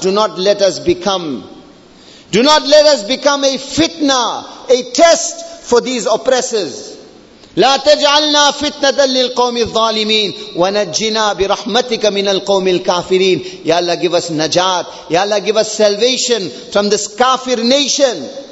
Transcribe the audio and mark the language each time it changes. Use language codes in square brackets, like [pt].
[en] Do not let us become a fitna, a test for these oppressors. [ar] لا تجعلنا فتنة للقوم الظالمين ونجنا برحمتك من القوم الكافرين. [en] Ya Allah, give us najat. Ya Allah, give us salvation from this kafir nation.